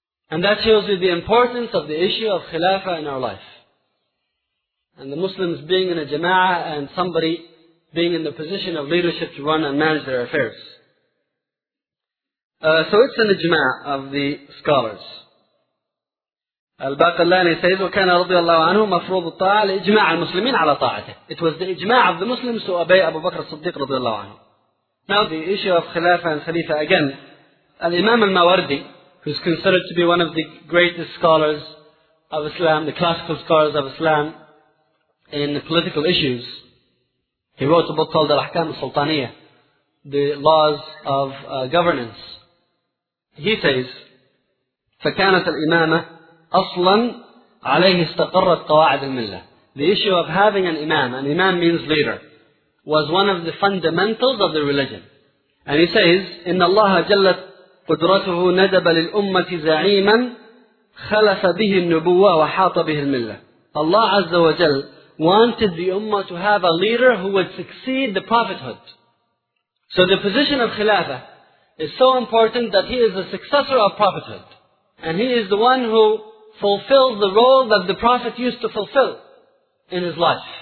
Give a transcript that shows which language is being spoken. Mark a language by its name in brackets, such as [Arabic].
[English] And that shows you the importance of the issue of Khilafah in our life. And the Muslims being in a jama'ah and somebody being in the position of leadership to run and manage their affairs. So it's an ijma' of the scholars. Al-Baqillani says, [Arabic] وَكَانَ رَضِيَ اللَّهُ عَنْهُ مَفْرُوضُ الطَّاعَ لِإِجْمَاعَ الْمُسْلِمِينَ عَلَى طَاعَتِهِ. [English] It was the ijma' of the Muslims to obey Abu Bakr as-Siddiq رضي الله عنه. Now the issue of Khilafah and Khalifa again. Al-Imam al-Mawardi, who's considered to be one of the greatest scholars of Islam, the classical scholars of Islam in political issues, he wrote a book called Al-Ahkam al-Sultaniyah, the laws of governance. He says, [Arabic] فكانت الإمامة أصلا عليه استقرت قواعد الملة. [English] The issue of having an imam means leader, was one of the fundamentals of the religion. And he says, [Arabic] إن الله جلت قدرته ندب للأمة زعيما خلف به النبوة وحاط به الملة. [English] Allah Azza wa Jal wanted the Ummah to have a leader who would succeed the prophethood. So the position of Khilafah is so important that he is the successor of prophethood. And he is the one who fulfills the role that the Prophet used to fulfill in his life.